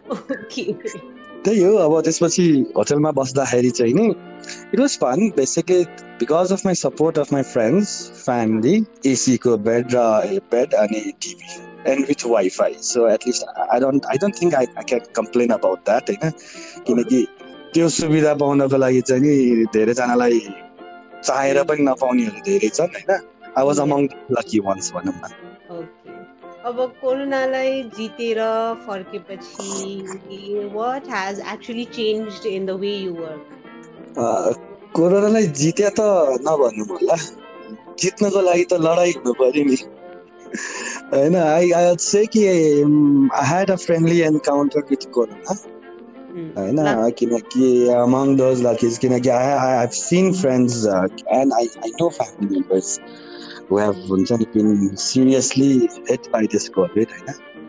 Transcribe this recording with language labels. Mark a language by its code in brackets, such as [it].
[ne] त्यही हो, अब त्यसपछि होटेलमा बस्दाखेरि चाहिँ नि [en] it was fun basically because of my support of my friends family, [ne] एसीको bed र बेड अनि TV [en] And with wifi. So at least I don't think I can complain about that [ne] होइन, किनकि त्यो सुविधा पाउनको लागि चाहिँ नि धेरैजनालाई चाहेर पनि नपाउनेहरू धेरै छन् होइन. [en] I was among lucky ones [ne] भनौँ न. अब कोरोनालाई जितेर फर्केपछि [en] What has actually changed in the way you work? [ne] कोरोनालाई जित्या त नभन्नु होला, जित्नको लागि त लडाई हुनु पर्यो नि होइन. [en] I would say कि I had a friendly encounter with corona होइन, किनकि among those luckies, किनकि I have seen friends and I know family members who have [ne] हुन्छ नि [en] Been seriously hit by this COVID होइन.